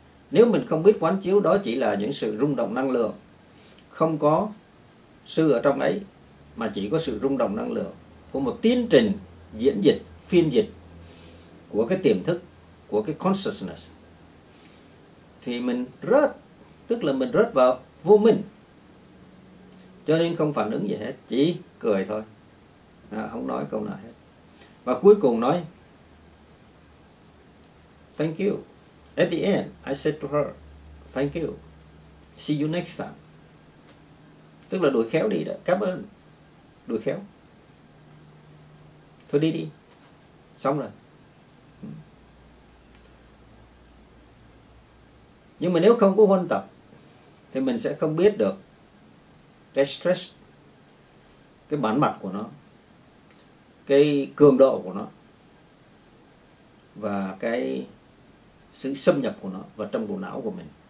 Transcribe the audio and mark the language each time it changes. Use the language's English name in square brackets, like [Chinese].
[Vietnamese] Nếu mình không biết quán chiếu đó chỉ là những sự rung động năng lượng, không có sư ở trong ấy, mà chỉ có sự rung động năng lượng của một tiến trình diễn dịch, phiên dịch của cái tiềm thức, của cái consciousness, thì mình rớt, tức là mình rớt vào vô minh, cho nên không phản ứng gì hết, chỉ cười thôi, không nói câu nào hết, và cuối cùng nói thank you. [English] At the end, I said to her, thank you, see you next time. [Vietnamese] Tức là đuổi khéo đi đó, cảm ơn, đuổi khéo, thôi đi đi, xong rồi. Nhưng mà nếu không có huân tập thì mình sẽ không biết được cái stress, cái bản mặt của nó, cái cường độ của nó và cái sự xâm nhập của nó vào trong bộ não của mình.